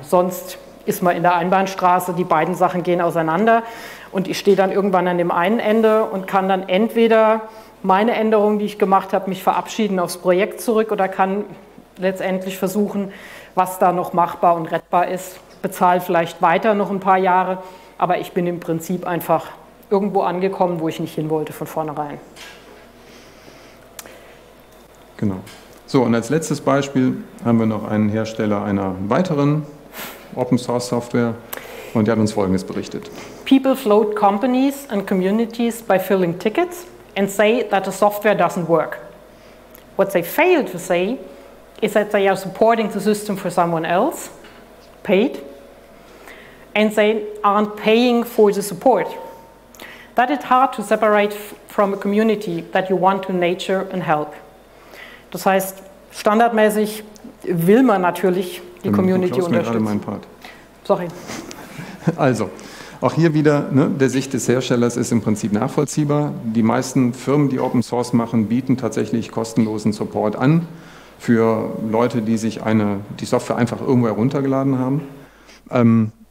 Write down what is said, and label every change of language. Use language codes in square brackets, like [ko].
[de] Sonst ist man in der Einbahnstraße, die beiden Sachen gehen auseinander und ich stehe dann irgendwann an dem einen Ende und kann dann entweder meine Änderungen, die ich gemacht habe, mich verabschieden aufs Projekt zurück oder kann letztendlich versuchen, was da noch machbar und rettbar ist, bezahle vielleicht weiter noch ein paar Jahre, aber ich bin im Prinzip einfach irgendwo angekommen, wo ich nicht hin wollte von vornherein. Genau. So, und als letztes Beispiel haben wir noch einen Hersteller einer weiteren Open-Source-Software und der hat uns Folgendes berichtet. [en] People float companies and communities by filling tickets and say that the software doesn't work. What they fail to say is that they are supporting the system for someone else, paid, and they aren't paying for the support. That it's hard to separate from a community that you want to nurture and help. [de] Das heißt, standardmäßig will man natürlich die Community unterstützen. [en] Sorry. [de] Also, auch hier wieder, ne, der Sicht des Herstellers ist im Prinzip nachvollziehbar. Die meisten Firmen, die Open Source machen, bieten tatsächlich kostenlosen Support an für Leute, die sich die Software einfach irgendwo heruntergeladen haben.